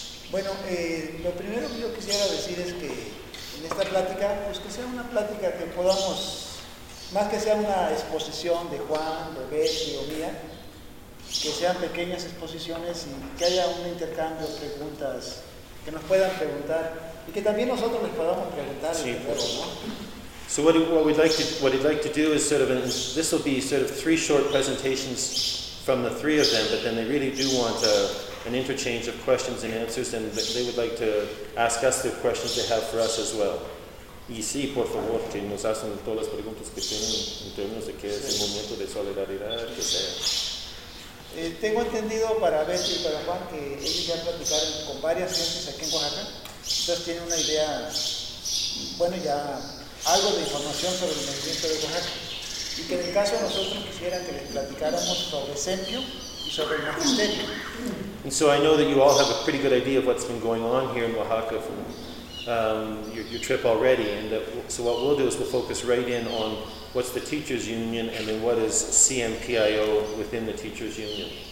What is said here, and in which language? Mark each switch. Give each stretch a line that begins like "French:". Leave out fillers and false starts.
Spanish: Bueno, lo primero que yo quisiera decir es que en esta plática, pues que sea una plática que podamos, más que sea una exposición de Juan, de Betty o mía, que sean pequeñas exposiciones y que haya un intercambio de preguntas, que nos puedan preguntar. Y que también nosotros les podamos preguntar. Sí, pero, ¿no?
English: So what we'd like to do is sort of, this will be sort of three short presentations from the three of them, but then they really do want an interchange of questions and answers, and they would like to ask us the questions they have for us as well.
Spanish: Y sí, por favor, que nos hacen todas las preguntas que tienen en términos de qué es el momento de solidaridad, que sea. Tengo entendido para Betty y para Juan que ellos ya platicaron con varias gentes aquí en Oaxaca, entonces tienen una idea, bueno, ya algo de información sobre el movimiento de Oaxaca. Y que en el caso de nosotros quisieran que les platicáramos sobre Sempio y sobre el magisterio.
English: And so I know that you all have a pretty good idea of what's been going on here in Oaxaca from your trip already, and so what we'll do is we'll focus right in on what's the teachers' union and then what is CMPIO within the teachers' union.